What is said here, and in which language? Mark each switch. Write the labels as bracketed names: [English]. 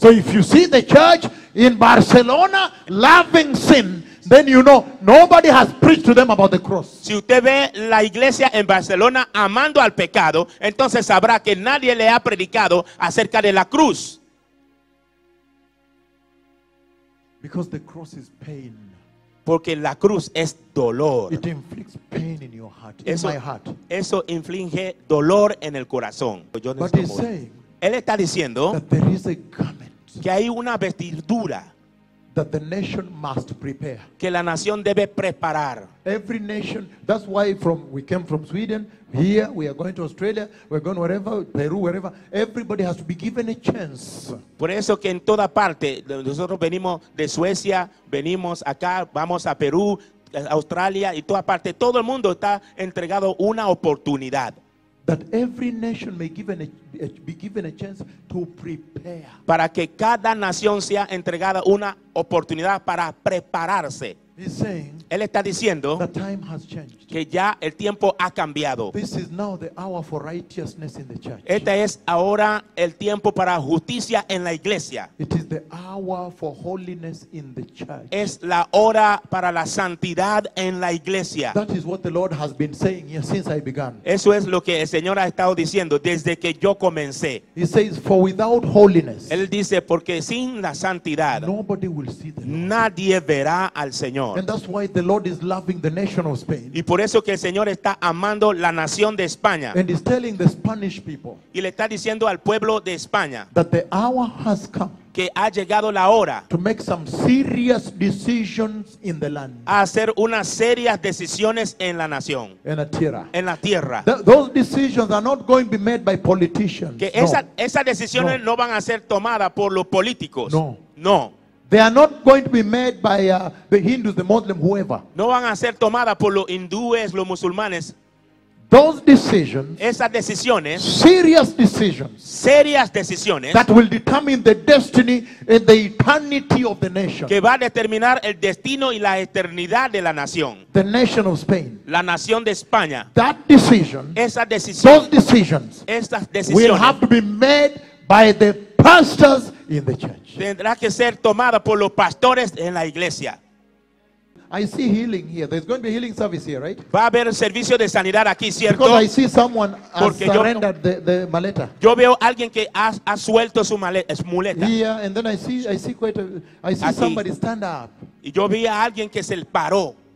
[English] So if you see the church in Barcelona loving sin, then you know nobody has preached to them about the cross. [Spanish] Si usted ve la iglesia en Barcelona amando al pecado, entonces sabrá que nadie le ha predicado acerca de la cruz. [English] Because the cross is pain. [Spanish] Porque la cruz es dolor. [English] It inflicts pain in your heart, [Spanish] eso, [English] in my heart. [Spanish] Eso inflige dolor en el corazón. Yo no [English] But he's saying, [Spanish] él está diciendo [English] that there is a garment, [Spanish] que hay una vestidura, [English] that the nation must prepare, [Spanish] que la nación debe preparar. [English] Every nation, that's why from we came from Sweden, here we are going to Australia, we're going wherever, Peru, wherever, everybody has to be given a chance. [Spanish] Por eso que en toda parte, nosotros venimos de Suecia, venimos acá, vamos a Perú, Australia, y toda parte, todo el mundo está entregado una oportunidad. [English] That every nation may be given a chance to prepare. [Spanish] Para que cada nación sea entregada una oportunidad para prepararse. [English] He's saying, [Spanish] Él está diciendo [English] the time has changed. [Spanish] Que ya el tiempo ha cambiado. [English] This is now the hour for righteousness in the church. [Spanish] Este es ahora el tiempo para justicia en la iglesia. [English] It is the hour for holiness in the church. [Spanish] Es la hora para la santidad en la iglesia. [English] That is what the Lord has been saying here since I began. [Spanish] Eso es lo que el Señor ha estado diciendo desde que yo comencé. [English] He says, for without holiness, [Spanish] Él dice, porque sin la santidad [English] nobody will see the Lord. [Spanish] Nadie verá al Señor. [English] And that's why the Lord is loving the nation of Spain. [Spanish] Y por eso que el Señor está amando la nación de España. [English] And he's telling the Spanish people, [Spanish] y le está diciendo al pueblo de España, [English] that the hour has come, [Spanish] que ha llegado la hora, [English] to make some serious decisions in the land, [Spanish] a hacer unas serias decisiones en la nación, [English] in a [Spanish] tierra, en la tierra. [English] Those decisions are not going to be made by politicians. [Spanish] Que esas decisiones no van a ser tomadas por los políticos. [English] No. They are not going to be made by the Hindus, the Muslims, whoever. [Spanish] No van a ser tomadas por los hindúes, los musulmanes. [English] Those decisions, [Spanish] esas decisiones, [English] serious decisions, [Spanish] serias decisiones, [English] that will determine the destiny and the eternity of the nation. [Spanish] Que va a determinar el destino y la eternidad de la nación. [English] The nation of Spain. [Spanish] La nación de España. [English] That decision, [Spanish] esa decisión, [English] those decisions, [Spanish] esas decisiones, [English] will have to be made by the pastors in the church. [Spanish] Tendrá que ser tomada por los pastores en la iglesia. [English] I see healing here. There's going to be a healing service here, right? [Spanish] Va a haber servicio de sanidad aquí, ¿cierto? [English] Because I see someone has [Spanish] Porque [English] surrendered the [Spanish] maleta. Yo veo alguien que ha suelto su maleta. [English] Yeah, and then I see [Spanish] aquí. [English] Somebody stand up. [Spanish] Y yo vi a alguien que se paró.